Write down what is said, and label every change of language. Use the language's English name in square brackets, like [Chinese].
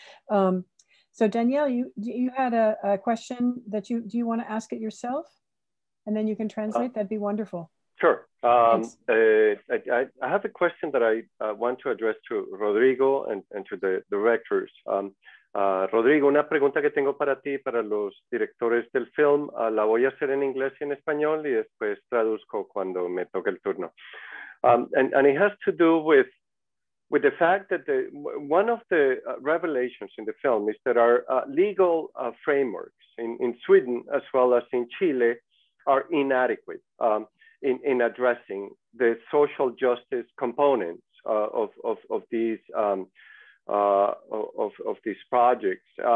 [English] So Danielle, you had a question that you, do you want to ask it yourself? And then you can translate, that'd be wonderful. Sure. I have a question that I want to address to Rodrigo and to the directors. [Spanish] Rodrigo, una pregunta que tengo para ti, para los directores del film, la voy a hacer en inglés y en español y después traduzco cuando me toque el turno. [English] And it has to do with the fact that one of the revelations in the film is that our legal frameworks in Sweden, as well as in Chile, are inadequate in addressing the social justice components of these of these projects.